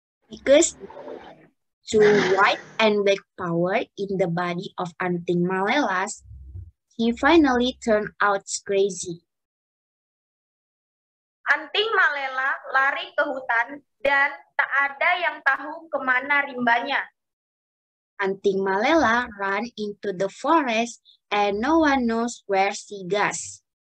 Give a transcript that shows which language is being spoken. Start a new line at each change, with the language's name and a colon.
English: Because two white and black power in the body of Anting Malelas, he finally turned out crazy.
Indonesian: Anting Malela lari ke hutan dan tak ada yang tahu kemana rimbanya.
English: Anting Malela ran into the forest and no one knows where she goes.